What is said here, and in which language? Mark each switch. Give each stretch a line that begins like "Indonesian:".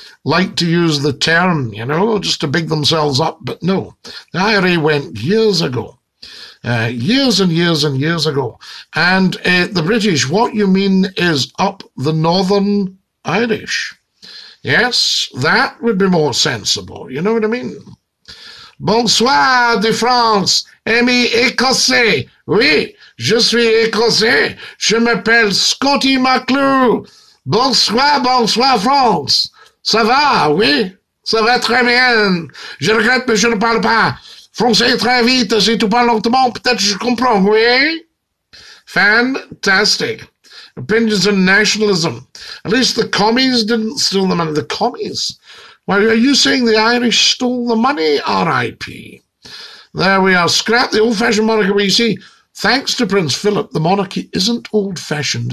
English: like to use the term, you know, just to big themselves up. But no, the IRA went years ago, years and years and years ago. And the British, what you mean is up the Northern Irish. Yes, that would be more sensible. You know what I mean?
French: Bonsoir de France, ami écossais. Oui, je suis écossais. Je m'appelle Scottie McClue. Bonsoir, bonsoir France. Ça va, oui? Ça va très bien. Je regrette, mais je ne parle pas français très vite. Si tu parles lentement, peut-être je comprends, oui?
English: Fantastic. Opinions and nationalism. At least the commies didn't steal the money. The commies? Well, are you saying the Irish stole the money, R.I.P.? There we are. Scrap the old-fashioned monarchy. Well, you see, thanks to Prince Philip, the monarchy isn't old-fashioned.